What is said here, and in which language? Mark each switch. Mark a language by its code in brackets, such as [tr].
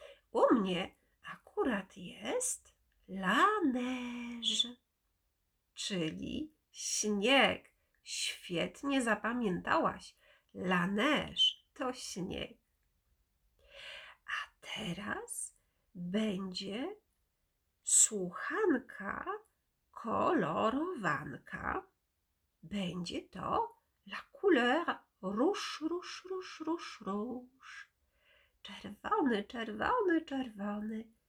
[pl] U mnie akurat jest la neige, czyli śnieg. Świetnie zapamiętałaś. La neige to śnieg. A teraz będzie słuchanka kolorowanka. Będzie to [fr] la couleur rouge, rouge, rouge, rouge, rouge. [pl] Czerwony, czerwony, czerwony.